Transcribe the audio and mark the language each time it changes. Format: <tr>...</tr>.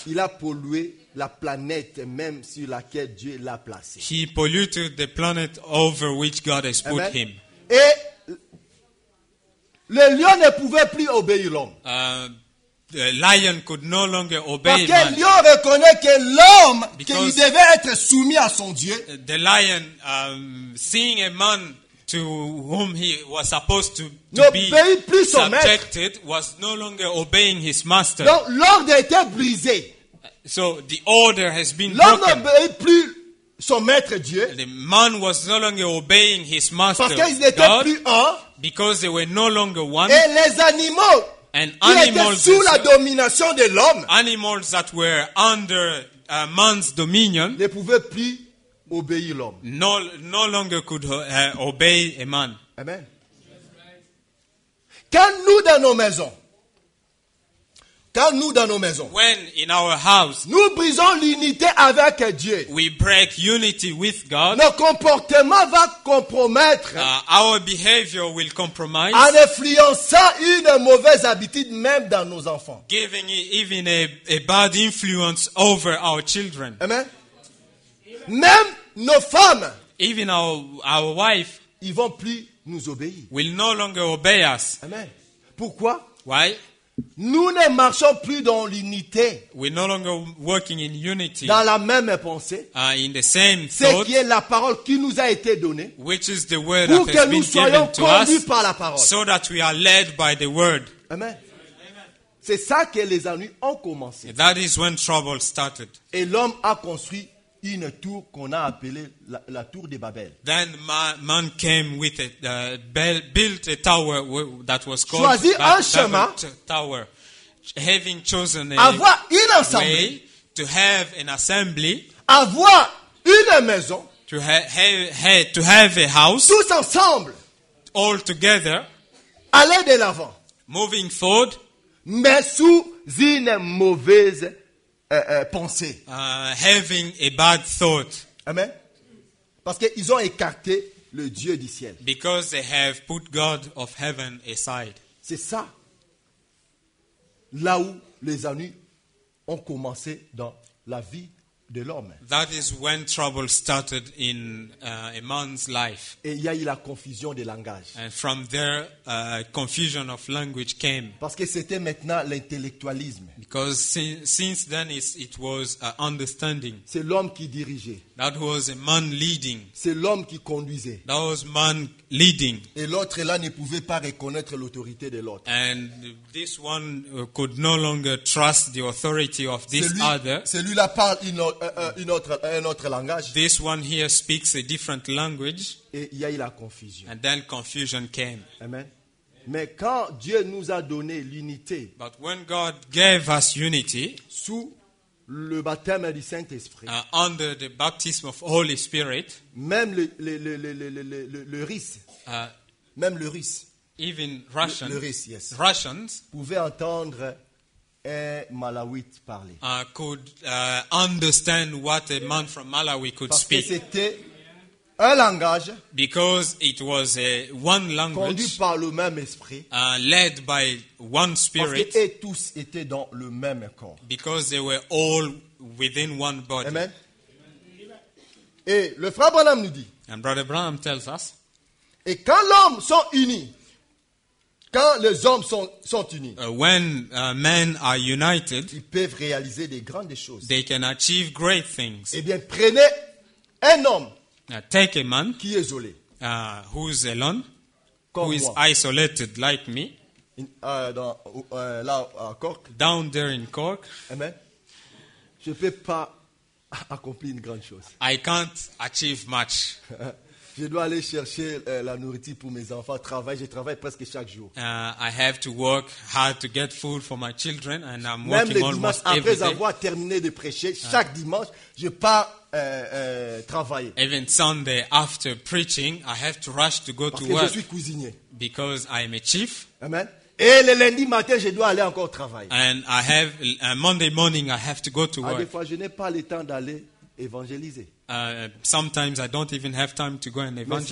<fr>il a pollué la planète même sur laquelle Dieu l'a placé.</fr> <en>He polluted the planet over which God has put Amen. Him.</en> <fr>Et le lion ne pouvait plus obéir l'homme.</fr> <en>The lion could no longer obey</en> <fr>parce que Le lion reconnaît que l'homme, qu'il devait être soumis à son Dieu.</fr> <en>The lion, seeing a man to whom he was supposed to be subjected, was no longer obeying his master.</en> <fr>Donc l'ordre était brisé.</fr> <en>So the order has been</en> <fr>l'homme</fr> <en>broken.</en> <fr>L'homme n'obéit plus. Son maître Dieu.</fr> <en>The man was no longer obeying his master.</en> <fr>Parce qu'ils n'étaient</fr> <en>God,</en> <fr>plus un.</fr> <en>Because they were no longer one.</en> <fr>Et les animaux.</fr> <en>And animals</en> <fr>qui étaient sous la domination de l'homme.</fr> <en>Animals that were under man's dominion.</en> <fr>Ne pouvaient plus obéir l'homme.</fr> <en>No longer could obey a man. Amen.</en> <fr>Quand nous dans nos maisons. Quand nous dans nos maisons,</fr> <en>when in our house,</en> <fr>nous brisons l'unité avec Dieu.</fr> <en>We break unity with God.</en> <fr>Nos comportements va compromettre.</fr> <en>Our behavior will compromise.</en> <fr>En influençant une mauvaise habitude même dans nos enfants.</fr> <en>Giving even a bad influence over our children.</en> <fr>Amen. Même nos femmes,</fr> <en>even our wife,</en> <fr>ils vont plus nous obéir.</fr> <en>Will no longer obey us.</en> <fr>Amen. Pourquoi?</fr> <en>Why?</en> <fr>Nous ne marchons plus dans l'unité.</fr> <en>We're no longer working in unity.</en> <fr>Dans la même pensée.</fr> <en>In the same</en> <fr>c'est</fr> <en>thought.</en> <fr>C'est la parole qui nous a été donnée.</fr> <en>Which is the word</en> <fr>pour</fr> <en>that</en> <fr>que</fr> <en>has</en> <fr>nous</fr> <en>been</en> <fr>soyons</fr> <en>given to</en> <fr>conduits</fr> <en>us,</en> <fr>par la parole.</fr> <en>So that we are led by the word. Amen. Amen.</en> <fr>C'est ça que les ennuis ont commencé.</fr> <en>And that is when trouble started.</en> <fr>Et l'homme a construit une tour qu'on a appelée la tour de Babel.</fr> <en>Then man came with built a tower that was called</en> <fr>choisi un chemin,</fr> <en>tower, having chosen a</en> <fr>avoir une assemblée,</fr> <en>way to have an assembly,</en> <fr>avoir une maison,</fr> <en>to have a house,</en> <fr>tous ensemble,</fr> <en>all together,</en> <fr>aller de l'avant,</fr> <en>moving forward,</en> <fr>mais sous une mauvaise pensée.</fr> <en>Having a bad thought. Amen.</en> <fr>Parce qu'ils ont écarté le Dieu du ciel.</fr> <en>Because they have put God of heaven aside.</en> <fr>C'est ça. Là où les ennuis ont commencé dans la vie de l'homme.</fr> <en>That is when trouble started in a man's life.</en> <fr>Et il y a eu la confusion de langage.</fr> <en>And from there, confusion of language came.</en> <fr>Parce que c'était maintenant l'intellectualisme.</fr> <en>Because since then it was understanding.</en> <fr>C'est l'homme qui dirigeait.</fr> <en>That was a man leading.</en> <fr>C'est l'homme qui conduisait.</fr> <en>That was man leading.</en> <fr>Et l'autre là ne pouvait pas reconnaître l'autorité de l'autre.</fr> <en>And this one could no longer trust the authority of this other.</en> <fr>Celui-là parle un autre langage.</fr> <en>This one here speaks a different language.</en> <fr>Et il y a eu la confusion.</fr> <en>And then confusion came. Amen.</en> <fr>Mais quand Dieu nous a donné l'unité,</fr> <en>but when God gave us unity,</en> <fr>sous le baptême du Saint-Esprit,</fr> <en>under the baptism of Holy Spirit,</en> <fr>même le RIS, même le RIS,</fr> <en>even Russians,</en> <fr>le RIS, yes,</fr> <en>Russians</en> <fr>pouvaient entendre un Malawite parler.</fr> <en>Could understand what a man from Malawi could</en> <fr>parce</fr> <en>speak.</en> <fr>Parce que c'était un langage,</fr> <en>because it was a one language,</en> <fr>conduit par le même esprit,</fr> <en>led by one spirit,</en> <fr>parce que tous étaient dans le même corps,</fr> <en>because they were all within one body. Amen.</en> <fr>Et le frère Branham nous dit,</fr> <en>and Brother Branham tells us,</en> <fr>et quand l'homme sont unis, quand les hommes sont unis,</fr> <en>when men are united,</en> <fr>ils peuvent réaliser des grandes choses.</fr> <en>They can achieve great things.</en> <fr>Eh bien, prenez un homme.</fr> <en>Take a man</en> <fr>qui est isolé,</fr> <en>who is alone, who is isolated like me.</en> <fr>Dans Cork.</fr> <en>Down there in Cork. Amen.</en> <fr>Je peux pas accomplir une grande chose.</fr> <en>I can't achieve much.</en> <fr>Je dois aller chercher la nourriture pour mes enfants. Je travaille presque chaque jour.</fr> <en>I have to work hard to get food for my children, and I'm</en> <fr>Même</fr> <en>working almost</en> <fr>dimanche,</fr> <en>every day.</en> <fr>Après avoir terminé de prêcher, chaque dimanche, je pars travailler.</fr> <en>Even Sunday after preaching, I have to rush to go</en> <fr>Parce</fr> <en>to</en> <fr>que</fr> <en>work.</en> <fr>Je suis cuisinier.</fr> <en>Because I am a chief.</en> <fr>Amen. Et le lundi matin, je dois aller encore travailler.</fr> <en>And I have Monday morning, I have to go to work.</en> <fr>Des fois, je n'ai pas le temps d'aller évangéliser.</fr> <en>Sometimes I don't even have time to go and evangelize.</en>